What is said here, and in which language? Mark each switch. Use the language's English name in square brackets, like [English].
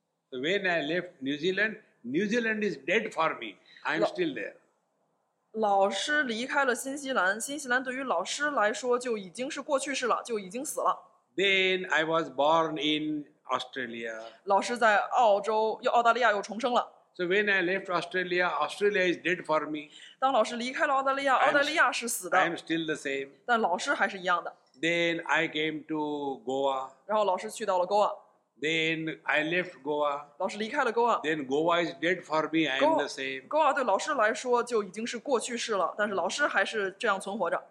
[English] So when I left New Zealand, New Zealand is dead for me. I'm still there. [Chinese] 老师离开了新西兰，新西兰对于老师来说就已经是过去式了，就已经死了。 [English] Then I was born in Australia. [Chinese] 老师在澳洲又澳大利亚又重生了。 [English] So when I left Australia, Australia is dead for me. [Chinese] 当老师离开了澳大利亚，澳大利亚是死的。 [English] I'm still the same. [Chinese] 但老师还是一样的。 [English] Then I came to Goa. [Chinese] 然后老师去到了 Goa。 [English] Then I left Goa. [Chinese] 老师离开了 Goa. [English] Then Goa is dead for me. I am the same. [Chinese] Goa 对老师来说就已经是过去式了，但是老师还是这样存活着。